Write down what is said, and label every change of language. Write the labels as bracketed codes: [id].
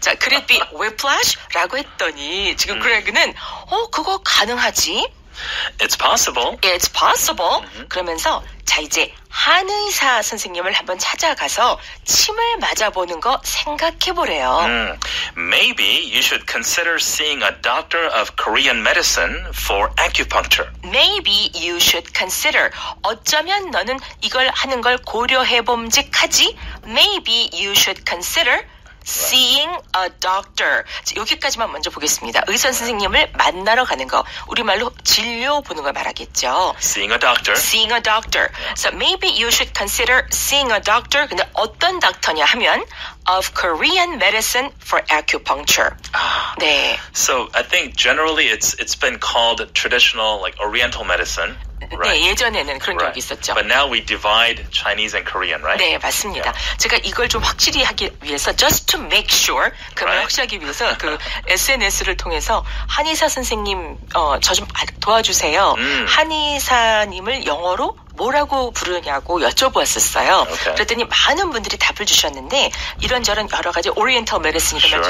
[en] 자, could it be whiplash? [ko] 라고 했더니 지금 그레그는 어, 그거 가능하지? [en] It's possible. It's possible. Mm-hmm. [ko] 그러면서 자 이제 한의사 선생님을 한번 찾아가서 침을 맞아보는 거 생각해보래요. [en] Maybe you should consider seeing a doctor of Korean medicine for acupuncture. Maybe you should consider. [ko] 어쩌면 너는 이걸 하는 걸 고려해봄직하지? [en] Maybe you should consider. Seeing a doctor. [ko] 자, 여기까지만 먼저 보겠습니다. 의사 선생님을 만나러 가는 거. 우리말로 진료 보는 걸 말하겠죠. [en] Seeing a doctor. Seeing a doctor. So maybe you should consider seeing a doctor. [ko] 근데 어떤 닥터냐 하면 [en] of Korean medicine for acupuncture. [ko] 네. [en] So I think generally it's been called traditional like oriental medicine. [ko] Right. 네, 예전에는 그런 right. 경우 있었죠. [en] But now we divide Chinese and Korean, right? [ko] 네, 맞습니다. Yeah. 제가 이걸 좀 확실히 하기 위해서 [en] just to make sure [ko] 그걸 right. 확실하기 위해서 그 SNS를 통해서 한의사 선생님 어, 저 좀 도와주세요. 한의사님을 영어로 뭐라고 부르냐고 여쭤보았었어요. [en] Okay. [ko] 그랬더니 많은 분들이 답을 주셨는데 이런저런 여러 가지 오리엔탈 메디슨이라고 sure.